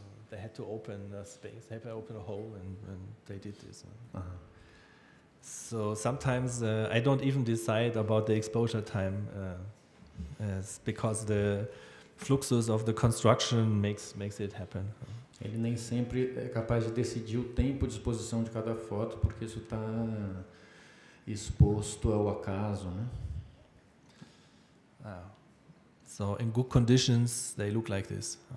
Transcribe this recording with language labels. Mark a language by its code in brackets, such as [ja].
[en] They had to open a space, they had to open a hole, and they did this. So sometimes I don't even decide about the exposure time, because the fluxus of the construction makes it happen. [pt] Ele nem sempre é capaz de decidir o tempo de exposição de cada foto, porque isso está exposto ao acaso, né? Ah. [en] So in good conditions they look like this.